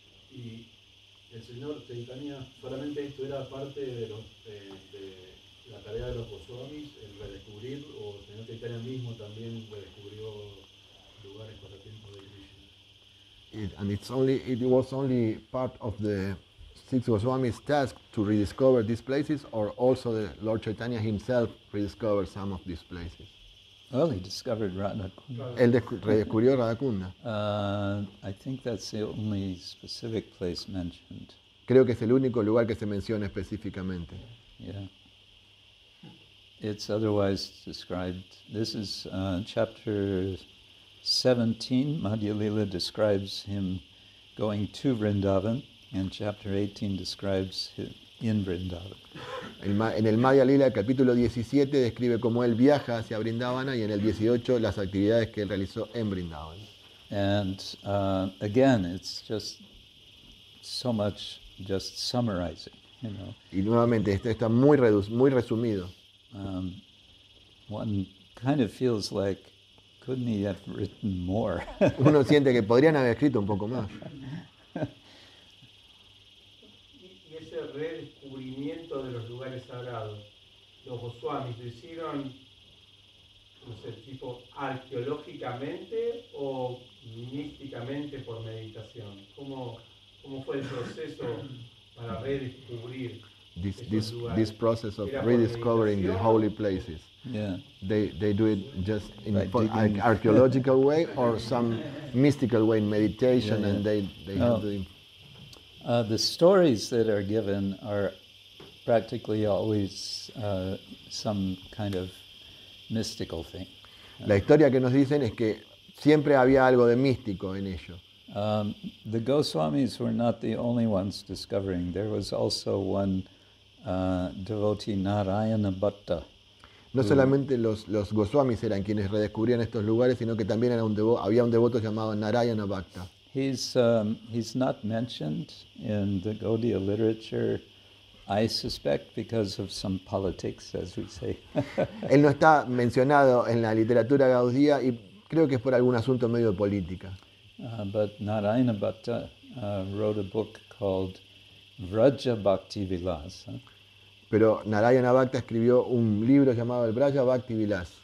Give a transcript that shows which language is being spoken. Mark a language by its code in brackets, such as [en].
[es] Y el señor Chaitanya, solamente esto era parte de la tarea de los Goswamis, el redescubrir, o el señor Chaitanya mismo también redescubrió lugares para tiempo de Krishna. [en] it was only part of the Six Goswami's task to rediscover these places, or also the Lord Chaitanya himself rediscovered some of these places? Well, he discovered Radhakunda. [es] El redescubrió Radhakunda. [en] I think that's the only specific place mentioned. [es] Creo que es el único lugar que se menciona específicamente. [en] Yeah. It's otherwise described. This is chapter 17. Madhya Lila describes him going to Vrindavan, and chapter 18 describes him in Vrindavan. [es] En el Madhya Lila, capítulo 17, describe cómo él viaja hacia Vrindavana, y en el 18, las actividades que él realizó en Vrindavan. [en] And again, it's just so much just summarizing, you know. [es] Y nuevamente, esto está muy muy resumido. [en] One kind of feels like, couldn't he have written more? [es] Uno siente que podrían haber escrito un poco más. Y ese redescubrimiento de los lugares sagrados, los Goswamis, ¿hicieron, no sé, tipo arqueológicamente o místicamente por meditación? ¿Cómo fue el proceso para redescubrir? [en] This process of rediscovering the holy places, yeah. They do it just in an archaeological way or some mystical way, in meditation, yeah, yeah. The stories that are given are practically always some kind of mystical thing. [es] La historia que nos dicen es que siempre había algo de místico en ello. [en] The Goswamis were not the only ones discovering. There was also one devotee Narayana Bhatta. [es] No solamente los Goswamis eran quienes redescubrían estos lugares, sino que también era había un devoto llamado Narayana Bhatta. [en] He's not mentioned in the Gaudiya literature, I suspect, because of some politics, as we say. [es] Él no está mencionado en la literatura gaudía y creo que es por algún asunto medio de política. [en] But Narayana Bhatta wrote a book called Vraja Bhakti Vilas. [es] Pero Narayana Bhakta escribió un libro llamado el Vraja Bhakti Vilas,